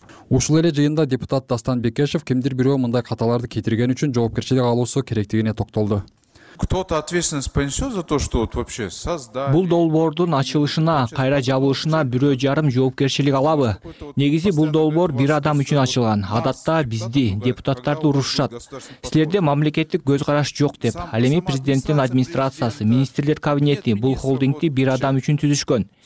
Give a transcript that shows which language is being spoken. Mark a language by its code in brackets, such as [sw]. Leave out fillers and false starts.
[ky] Ушул эле жыйында депутат Дастан Бекешев кимдир бирөө мындай каталарды кетирген үчүн жоопкерчилик алуусу керектигине токтолду. [ru] Кто-то ответственность понесет за то, что вот вообще создали. [ky] Бул долбоордун ачылышына, кайра жабылышына бирөө жарым жоопкерчилик алабы. Негизи бул долбоор бир адам үчүн ачылган. Адатта бизди депутаттарды урушат. Силерде мамлекеттик көз караш жок деп. Ал эми президенттин администрациясы, министрлер кабинети бул холдингди бир адам үчүн түзүшкөн.